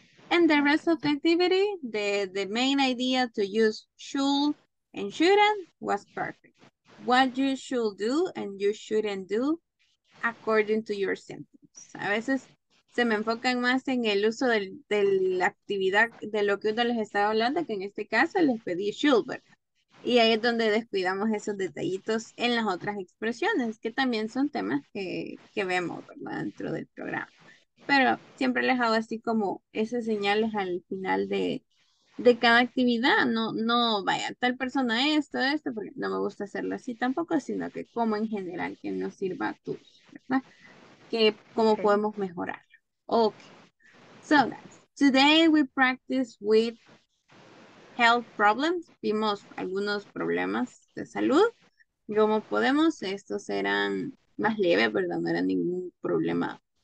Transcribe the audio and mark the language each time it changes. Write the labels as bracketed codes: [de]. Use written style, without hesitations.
[en] And the rest of the activity, the main idea to use should and shouldn't was perfect. What you should do and you shouldn't do according to your symptoms. [es] A veces se me enfocan más en el uso de la actividad de lo que uno les estaba hablando, que en este caso les pedí should, ¿verdad? Y ahí es donde descuidamos esos detallitos en las otras expresiones, que también son temas que vemos, ¿verdad? Dentro del programa. Pero siempre les hago así como esas señales al final de cada actividad. No vaya tal persona esto, porque no me gusta hacerlo así tampoco, sino que como en general que nos sirva a todos, ¿verdad? Que cómo okay. Podemos mejorar. Ok. [en] So guys, today we practice with health problems. [es] Vimos algunos problemas de salud. ¿Cómo podemos? Estos eran más leves, ¿verdad? No era ningún problema